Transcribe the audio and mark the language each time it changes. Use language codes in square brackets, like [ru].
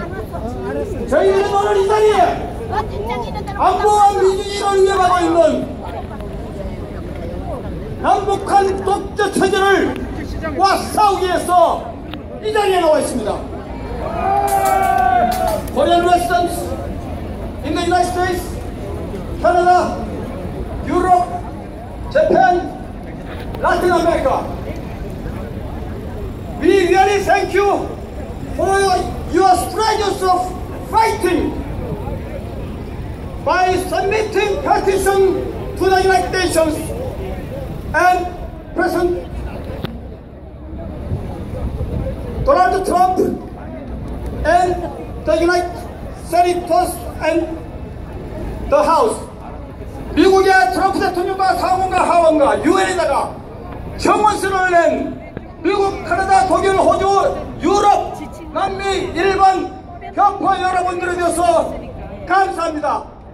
[ko] 저희는 오늘 이 자리에 안보와 민주주의를 위협하고 있는 남북한 독재 체제를 싸우기 위해서 이 자리에 나와 있습니다. [en] Korean residents in the United States, Canada, Europe, Japan, Latin America, we really thank you for your strategies of fighting by submitting petition to the United Nations and President Donald Trump and the United Senators and the House. [ko] 미국의 트럼프 대통령과 상원과 하원과 유엔에다가 청원서를 낸 미국, 캐나다, 독일, 호주, 유럽, 남미, 일본 격파 여러분들에 대해서 감사합니다.